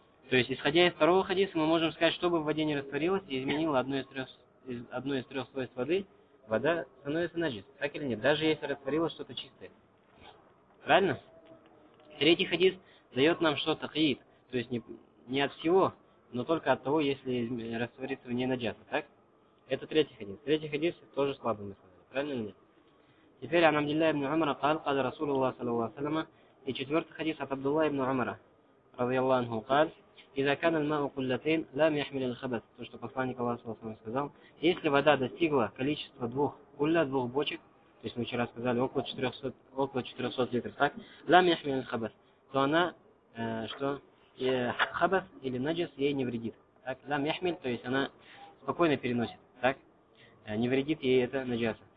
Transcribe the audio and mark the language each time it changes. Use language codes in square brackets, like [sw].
[ru] То есть, исходя из второго хадиса, мы можем сказать, что бы в воде не растворилось и изменило одно из трех свойств воды, вода становится наджис. Так или нет? Даже если растворилось что-то чистое. Правильно? Третий хадис дает нам что-то хаид. То есть, не от всего, но только от того, если растворится в ней наджаса. Так? Это третий хадис. Третий хадис тоже слабый, мы сказали. Правильно или нет? Теперь, ан Абдуллах ибн Умара [ar] قال قال رسول الله صلى الله عليه وسلم. [ru] И четвертый хадис от Абдуллах ибн Умара [ar] رضي الله عنه قال: إذا كان الماء قلتين لم يحمل الخبث. [ru] То, что посланник Аллаха Субхана Ва Тааля сказал, если вода достигла количества двух бочек, то есть мы вчера сказали около 400 литров, так, [ar] لم يحمل الخبث, [ru] то она хабас или наджас ей не вредит. Так, [ar] لم يحمل, [ru] то есть она спокойно переносит, так, не вредит ей это наджаса.